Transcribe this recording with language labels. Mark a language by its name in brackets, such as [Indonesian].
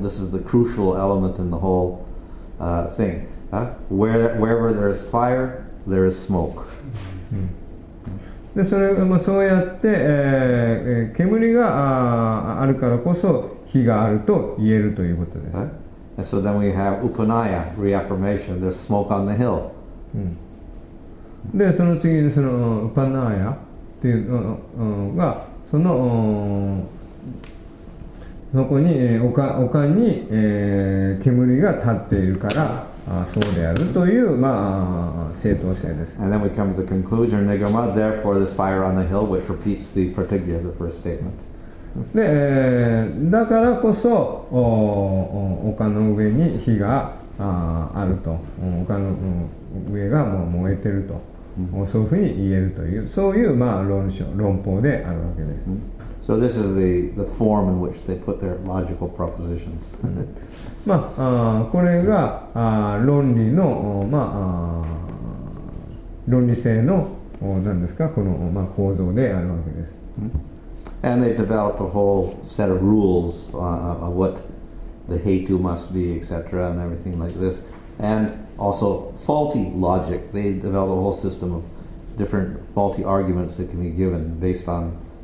[English] This is the crucial element in the whole thing. Wherever there is fire, there is smoke. [Japanese] でそれもそうやって、煙があるからこそ火があると言えるということです。 [English] And so then we have upanaya, reaffirmation. There's smoke on the hill. [Japanese] でその次にその upanaya っていうのがそのそこに、丘に、煙が立っているからそうであるという、まあ、正当性です。 [English] And then we come to the conclusion, Nigama, therefore this fire on the hill, which repeats the particular, the first statement. [Japanese] で、だからこそ、丘の上に火が あると。丘の上がもう燃えてると。そういうふうに言えるという、そういう、まあ、論法であるわけです。 [English] So this is the form in which they put their logical propositions. [Japanese] まあ、これが、論理の、まあ、論理性の、何ですか、この、まあ、構造であるわけです。 [English] And they've developed a whole set of rules of what the hetu must be, etc., and everything like this. And also faulty logic. They developed a whole system of different faulty arguments that can be given based on